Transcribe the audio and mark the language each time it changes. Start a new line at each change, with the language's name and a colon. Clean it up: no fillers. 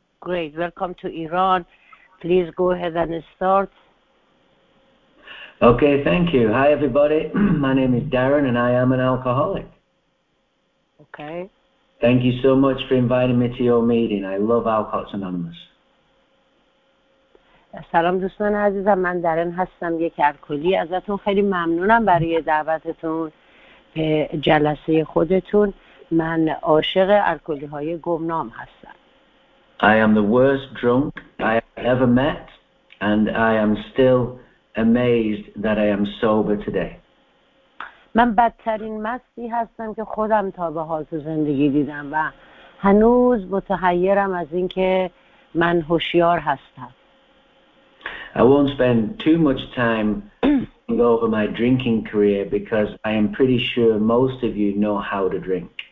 English: Great, welcome to Iran. Please go ahead and start. Okay, thank you. Hi everybody, my name is Darren and I am an alcoholic. Okay. Thank you so much for inviting me to your meeting. I love Alcoholics Anonymous.
Persian: سلام دوستان عزیزم، من درن هستم، یک الکلی. ازتون خیلی ممنونم برای دعوتتون به جلسه خودتون. من عاشق الکلی های گمنام هستم.
English: I am the worst drunk I ever met and I am still amazed that I am sober today.
Persian: من بدترین مستی هستم که خودم تا به حال تو زندگی دیدم و هنوز متحیرم از اینکه من هوشیار هستم.
English: I won't spend too much time going over my drinking career because I am pretty sure most of you know how to drink.